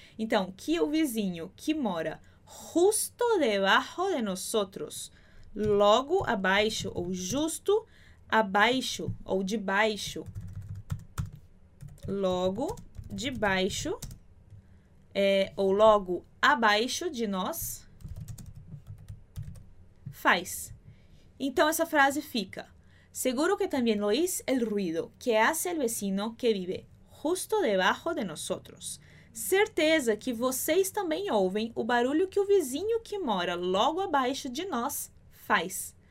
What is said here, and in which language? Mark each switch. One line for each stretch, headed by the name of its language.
Portuguese: Então, que o vizinho que mora
Spanish: justo debajo de nosotros,
Portuguese: logo abaixo, ou justo abaixo, ou debaixo, logo debaixo, é, ou logo abaixo de nós, faz. Então, essa frase fica...
Spanish: Seguro que también oís el ruido que hace el vecino que vive justo debajo de nosotros.
Portuguese: Certeza que vocês também ouvem o barulho que o vizinho que mora logo abaixo de nós faz.